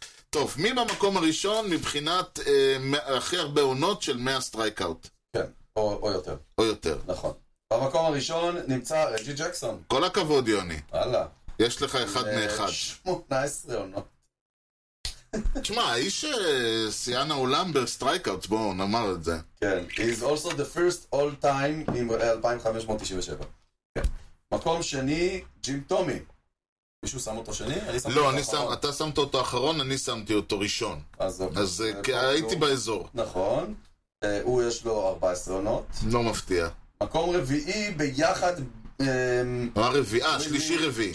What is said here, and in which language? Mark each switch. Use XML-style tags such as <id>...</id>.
<he>טוב, מי במקום הראשון מבחינת הכי הרבה עונות של 100 סטרייקאוט? כן, או יותר. או יותר. נכון. במקום הראשון נמצא רג'י ג'קסון. כל הכבוד יוני. הלאה. יש לך אחד מאחד. 18 עונות. תשמע, האיש סיאן העולם בסטרייקאוטס, בואו נאמר את זה.</he> <en>כן, he's also the first all time in 2597.</en> <he>מקום שני, ג'ים טומי. מישהו שם אותו שני? לא, אני שם, אתה שמת אותו אחרון, אני שמתי אותו ראשון. אז הייתי באזור. נכון, הוא יש לו 14 עונות. לא מפתיע. מקום רביעי ביחד... מה רביעי? שלישי רביעי.</he>